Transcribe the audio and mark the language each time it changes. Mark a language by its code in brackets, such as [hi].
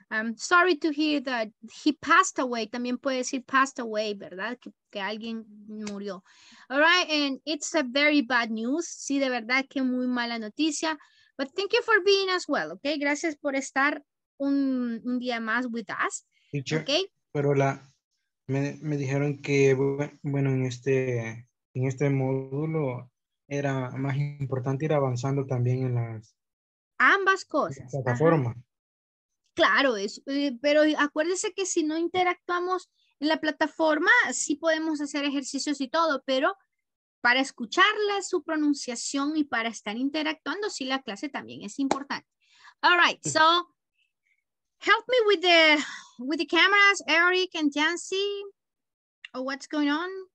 [en] I'm sorry to hear that he passed away. [es] También puede decir passed away, ¿verdad? Que alguien murió. [en] All right, and it's a very bad news. [es] Sí, de verdad que muy mala noticia. [en] But thank you for being as well, okay? [es] Gracias por estar un día más [en] with us, teacher, okay? [es] Pero la me dijeron que bueno en este módulo era más importante ir avanzando también en las ambas cosas. Plataforma. Claro, es, pero acuérdese que si no interactuamos en la plataforma, sí podemos hacer ejercicios y todo, pero para escucharle su pronunciación y para estar interactuando, sí, la clase también es importante. [en] All right, so help me with the cameras, Eric and Jancy, or what's going on?